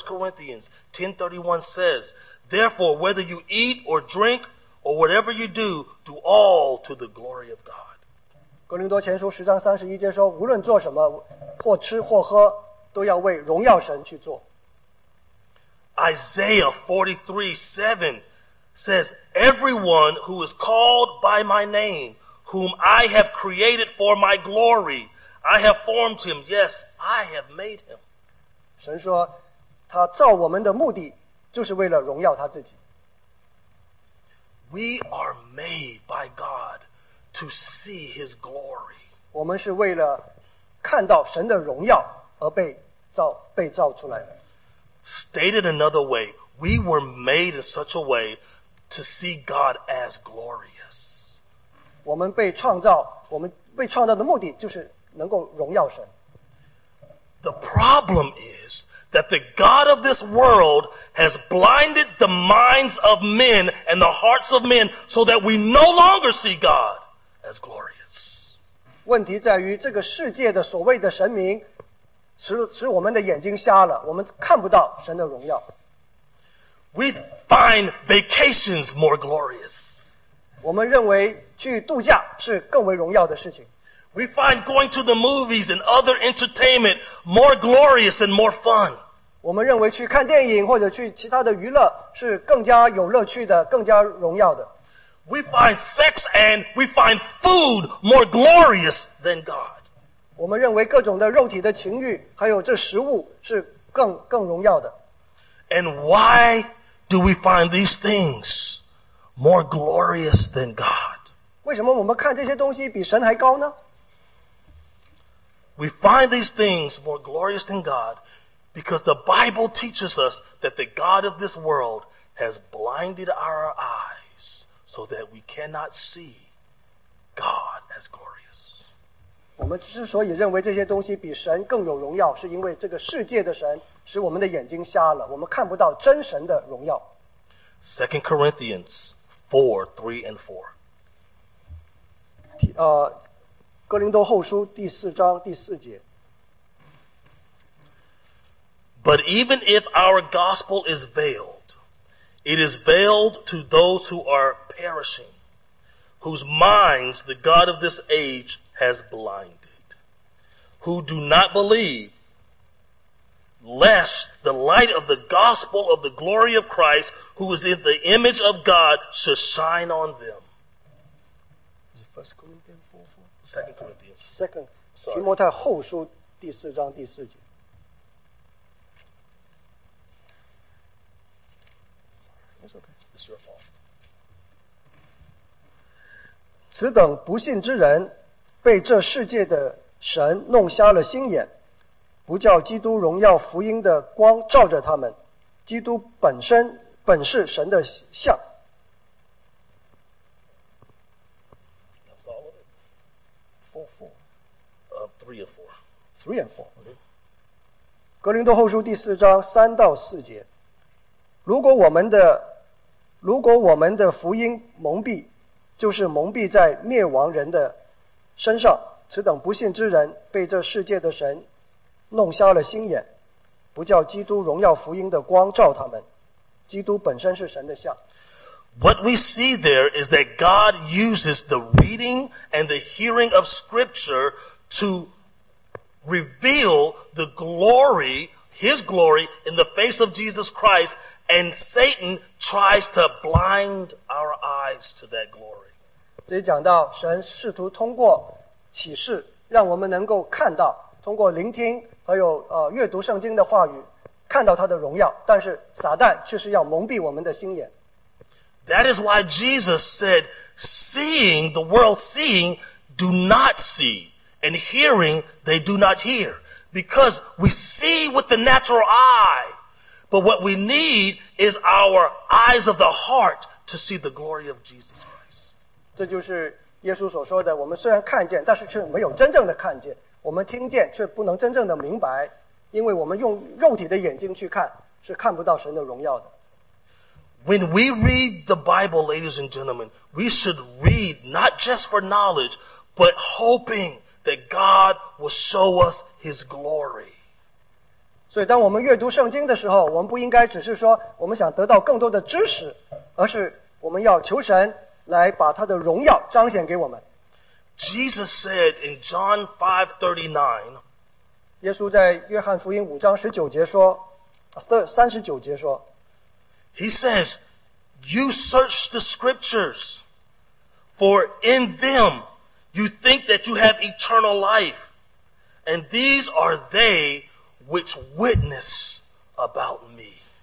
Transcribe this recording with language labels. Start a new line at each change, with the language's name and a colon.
English: 1 Corinthians 10:31 says, "Therefore, whether you eat or drink, or whatever you do, do all to the glory of God."
Chinese: 哥林多前书十章三十一节说，无论做什么，或吃或喝，都要为荣耀神去做。
English: Isaiah 43:7 says, "Everyone who is called by my name, whom I have created for my glory, I have formed him. Yes, I have made him."
Chinese: 神说，他造我们的目的就是为了荣耀他自己。
English: We are made by God to see His glory.
Chinese: 我们是为了看到神的荣耀而被造出来的。
English: Stated another way, we were made in such a way to see God as glorious.
Chinese: 我们被创造的目的就是能够荣耀神。
English: The problem is that the God of this world has blinded the minds of men and the hearts of men so that we no longer see God as glorious.
Chinese: 问题在于这个世界的所谓的神明使我们的眼睛瞎了，我们看不到神的荣耀。
English: We find vacations more glorious.
Chinese: 我们认为去度假是更为荣耀的事情。
English: We find going to the movies and other entertainment more glorious and more fun.
Chinese: 我们认为去看电影或者去其他的娱乐是更加有乐趣的，更加荣耀的。
English: We find sex and we find food more glorious than God.
Chinese: 我们认为各种的肉体的情欲还有这食物是更荣耀的。
English: And why do we find these things more glorious than God?
Chinese: 为什么我们看这些东西比神还高呢？
English: We find these things more glorious than God because the Bible teaches us that the God of this world has blinded our eyes so that we cannot see God as glorious.
Chinese: 我们之所以认为这些东西比神更有荣耀，是因为这个世界的神使我们的眼睛瞎了，我们看不到真神的荣耀。
English: 2 Corinthians 4:3-4
Chinese: 哥林多后书第四章第四节。
English: But even if our gospel is veiled, it is veiled to those who are perishing, whose minds the God of this age has blinded, who do not believe, lest the light of the gospel of the glory of Christ, who is in the image of God, should shine on them. Is it 1 Corinthians 4? 2 Corinthians 2, Sorry.
Chinese: 提摩太后书第四章第四节。
English: It's your fault.
Chinese: 此等不信之人，被这世界的神弄瞎了心眼，不叫基督荣耀福音的光照着他们。基督本是神的像。
English: 3 and 4
Chinese: 格林多后书第四章三到四节。如果我们的福音蒙蔽，就是蒙蔽在灭亡人的身上，此等不信之人被这世界的神弄瞎了心眼，不叫基督荣耀福音的光照他们。基督本身是神的像。
English: What we see there is that God uses the reading and the hearing of Scripture to reveal the glory, His glory, in the face of Jesus Christ, and Satan tries to blind our eyes to that glory.
Chinese: 这里讲到神试图通过启示让我们能够看到，通过聆听还有阅读圣经的话语，看到他的荣耀，但是撒旦却是要蒙蔽我们的心眼。
English: That is why Jesus said, seeing, the world seeing, do not see, and hearing, they do not hear. Because we see with the natural eye, but what we need is our eyes of the heart to see the glory of Jesus Christ.
Chinese: 这就是耶稣所说的，我们虽然看见，但是却没有真正的看见。我们听见，却不能真正的明白，因为我们用肉体的眼睛去看，是看不到神的荣耀的。
English: When we read the Bible, ladies and gentlemen, we should read not just for knowledge, but hoping that God will show us His glory.
Chinese: 所以当我们阅读圣经的时候，我们不应该只是说我们想得到更多的知识，而是我们要求神来把他的荣耀彰显给我们。
English: Jesus said in John 5:39,
Chinese: 耶稣在约翰福音五章十九节说，三十九节说，
English: He says, you search the scriptures, for in them you think that you have eternal life, and these are they which witness about me.